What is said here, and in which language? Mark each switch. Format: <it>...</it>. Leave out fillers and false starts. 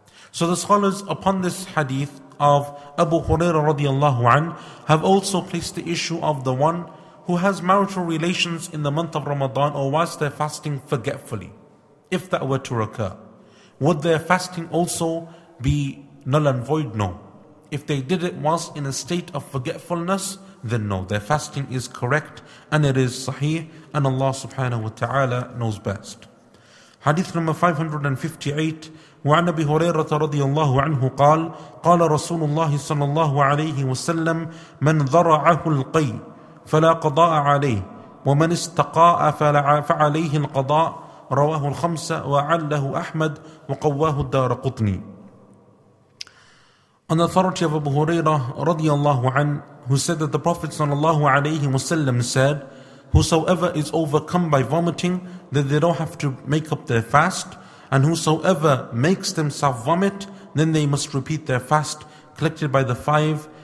<en>So the scholars upon this hadith of Abu Hurairah radiallahu anhu have also placed the issue of the one who has marital relations in the month of Ramadan or whilst they're fasting forgetfully. If that were to occur, would their fasting also be null and void? No. If they did it whilst in a state of forgetfulness, then no. Their fasting is correct and it is sahih, and Allah subhanahu wa ta'ala knows best. Hadith number 558,</en> <ar>وعن أبي هريرة رضي الله عنه قال قال رسول الله صلى الله عليه وسلم من ذرعه القي فلا قضاء عليه ومن استقاء فعليه القضاء رواه الخمسة وعله أحمد وقواه الدار قطني.</ar> <en>On authority of Abu Hurairah رضي الله عنه, who said that the Prophet صلى الله عليه وسلم said, whosoever is overcome by vomiting, that they don't have to make up their fast, and whosoever makes themselves vomit, then they must repeat their fast, collected by the five</en>